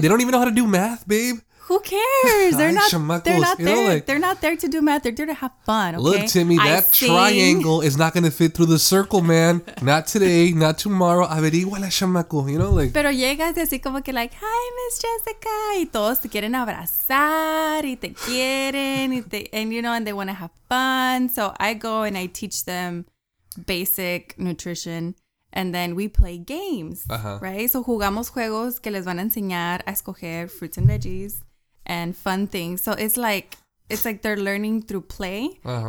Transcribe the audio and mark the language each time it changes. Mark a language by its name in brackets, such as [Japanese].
[English] They don't even know how to do math, babe. Who cares? They're not, they're not there to do math. They're there to have fun. Okay? Look, Timmy, that triangle is not going to fit through the circle, man. Not today, not tomorrow. [Spanish] Averigua la chamaco, [English] you know, like. [Spanish] Pero llegas así como que [English] like, hi, [Spanish] Miss Jessica. Y todos te quieren abrazar y te quieren. Y te, [English] and you know, and they want to have fun. So I go and I teach them basic nutrition. And then we play games, right? So [Spanish] jugamos juegos que les van a enseñar a escoger [English] fruits and veggies and fun things. So it's like they're learning through play. Uh-huh.